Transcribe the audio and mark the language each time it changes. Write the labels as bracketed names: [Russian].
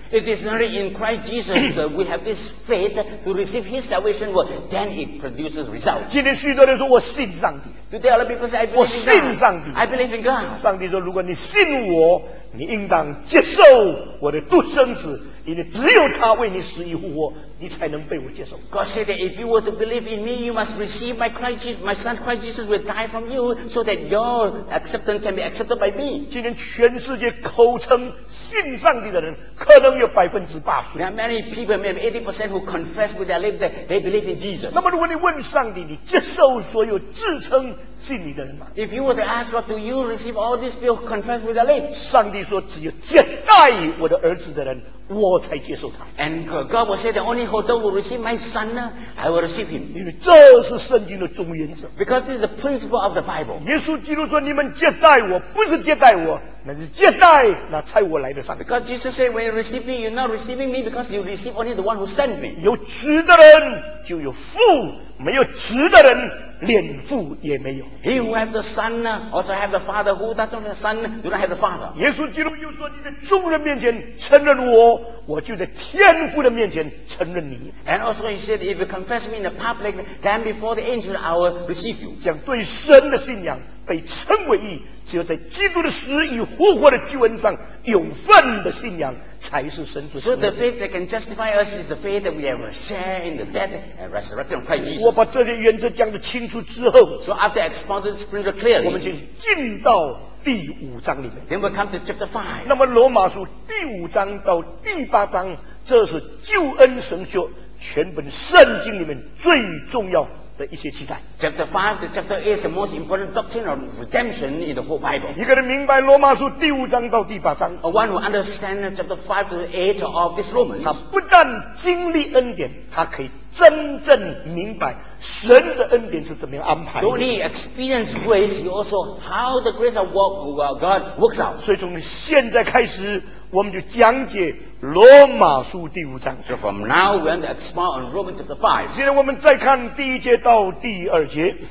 [English] it is only in Christ Jesus that we have this faith to receive his salvation well, then it produces results [Chinese] 今天许多人说我信上帝 [English] today a lot of people say I believe in God [Chinese] 我信上帝 [English] I believe in God [Chinese] 上帝说如果你信我你应当接受我的独生子因为只有他为你死以复活你才能被我接受 [English] God said that if you were to believe in me you must receive my Christ Jesus my son Christ Jesus will die from you so that your acceptance can be accepted by me [Chinese] 今天全世界口称信上帝的人可能有 80% [English] there are many people maybe 80% who confess with their lips that they believe in Jesus [Chinese] 那么如果你问上帝你接受所有自称信你的人吗 [English] if you were to ask God do you receive all these people who confess with their lips [Chinese] 上帝说只有接待我的儿子的人我才接受他 [English] and God will say the only who will receive my son I will receive him [Chinese] 因为这是圣经的总原则 [English] because this is the principle of the Bible [Chinese] 耶稣基督说你们接待我不是接待我那是接待那差我来的上帝 [English] because Jesus said when you receive me you're not receiving me because you receive only the one who sent me [Chinese] 有值的人就有父没有值的人连父也没有 [English] he who have the son also have the father who doesn't have the son do not have the father [Chinese] 耶稣基督又说你在众人面前承认我我就在天父的面前承认你 [English] and also he said if you confess me in the public then before the angel I will receive you [Chinese] 这样对神的信仰被称为义只有在基督的死与复活的救恩上有份的信仰才是神所赐的 [English] So the faith that can justify us is the faith that we have shared in the death and resurrection of Christ Jesus [Chinese] 我把这些原则讲得清楚之后 [English] So after expounding this principle clearly [Chinese] 我们就进到第五章里面 [English] Then we come to chapter 5 [Chinese] 那么罗马书第五章到第八章这是救恩神学全本圣经里面最重要的一些记载 [English] Chapter 5 to chapter 8 is the most important doctrine of redemption in the whole Bible [Chinese] 一个人明白罗马书第五章到第八章 [English] One who understands chapter 5 to 8 of this Romans [Chinese] 他不但经历恩典他可以真正明白神的恩典是怎么样安排的 [English] Don't he experience grace he also how the grace of work God works out [Chinese] 所以从现在开始我们就讲解罗马书第五章 [English] So from now we're going to expound on Romans chapter 5 [Chinese] 现在我们再看第一节到第二节